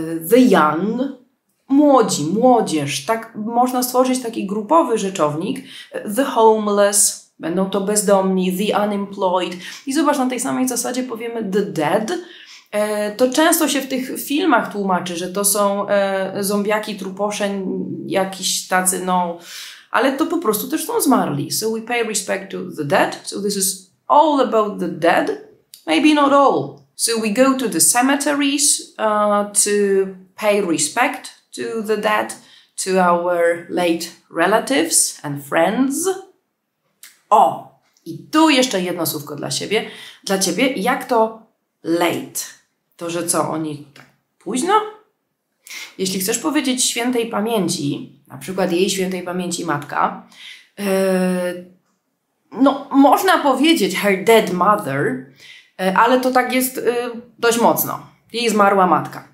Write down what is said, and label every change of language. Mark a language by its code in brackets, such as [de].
[en] the young, [pl] młodzi, młodzież, tak można stworzyć taki grupowy rzeczownik, [en] the homeless, [pl] będą to bezdomni, [en] the unemployed [pl] i zobacz, na tej samej zasadzie powiemy [en] the dead, [pl] to często się w tych filmach tłumaczy, że to są zombiaki, truposze, jakiś tacy, no, ale to po prostu też są zmarli. [en] So we pay respect to the dead, so this is all about the dead, maybe not all. So we go to the cemeteries to pay respect to the dead, to our late relatives and friends. [pl] O, i tu jeszcze jedno słówko dla siebie. Dla ciebie, jak to late? To, że co, oni tak późno? Jeśli chcesz powiedzieć świętej pamięci, na przykład jej świętej pamięci matka, no, można powiedzieć [en] her dead mother, [pl] ale to tak jest dość mocno. Jej zmarła matka.